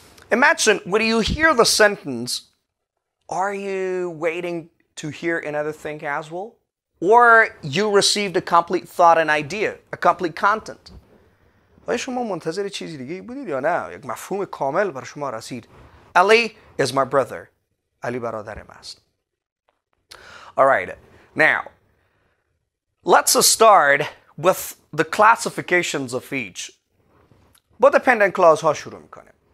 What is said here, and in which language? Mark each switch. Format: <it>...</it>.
<en>Imagine, when you hear the sentence, are you waiting to hear another thing as well? Or you received a complete thought and idea, a complete content.</en> <fa>آیا شما منتظر چیزی دیگه بودید یا نه؟ یک مفهوم کامل بر شما رسید.</fa> <en>Ali is my brother. Ali</en> <fa>برادرم است.</fa> <en>Alright, now, let's start with the classifications of each.</en> <fa>با dependent clause ها شروع میکنیم.</fa>